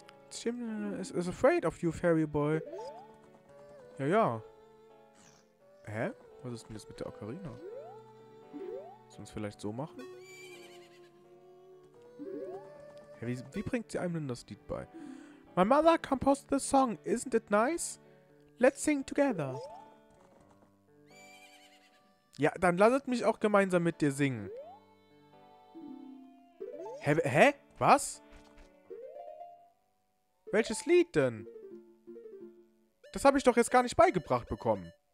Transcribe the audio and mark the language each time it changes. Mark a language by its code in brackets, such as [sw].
[en] Tim is afraid of you, fairy boy. [de] Ja, ja. Hä? Was ist denn jetzt mit der Ocarina? Sollen wir es vielleicht so machen? Ja, wie bringt sie einem denn das Lied bei? [en] My mother composed the song, isn't it nice? Let's sing together. [de] Ja, dann lasst mich auch gemeinsam mit dir singen. Hä? Was? Welches Lied denn? Das habe ich doch jetzt gar nicht beigebracht bekommen.